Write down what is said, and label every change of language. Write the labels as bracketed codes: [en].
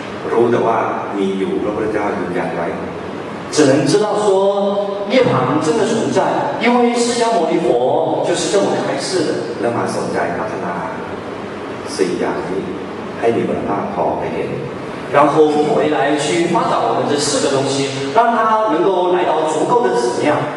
[th] รู้แต่ว่ามีอยู่พระพุทธเจ้าอยู่อย่างไร [zh] 只能知道说涅槃真的存在因为释迦牟尼佛就是这么开示的 [th] และมาสนใจพัฒนาสี่อย่างนี้ให้มีคุณภาพพอไปเห็น [zh] 然后回来去发展我们这四个东西让它能够来到足够的质量